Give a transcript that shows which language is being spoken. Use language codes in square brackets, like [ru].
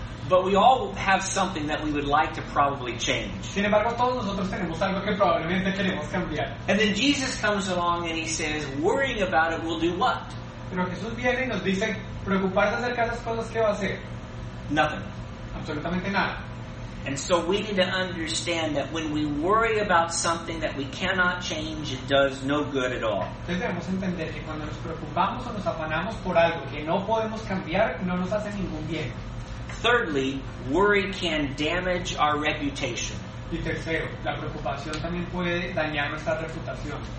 [en] But we all have something that we would like to probably change. [es] Sin embargo, todos nosotros tenemos algo que probablemente queremos cambiar. [en] And then Jesus comes along and he says, worrying about it will do what? [es] Pero Jesús viene y nos dice, preocuparse acerca de las cosas, ¿qué va a hacer? [en] Nothing. [es] Absolutamente nada. [en] And so we need to understand that when we worry about something that we cannot change, it does no good at all. [es] Entonces debemos entender que cuando nos preocupamos o nos afanamos por algo que no podemos cambiar, no nos hace ningún bien. [en] Thirdly, worry can damage our reputation. [es] Y tercero, la preocupación también puede dañar nuestra reputación.